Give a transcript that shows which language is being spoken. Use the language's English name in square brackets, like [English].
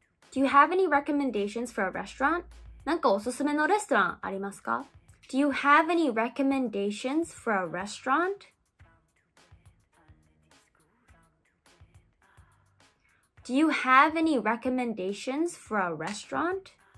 [English] Do you have any recommendations for a restaurant? [Japanese] 何かおすすめのレストランありますか? [English] Do you have any recommendations for a restaurant? Do you have any recommendations for a restaurant?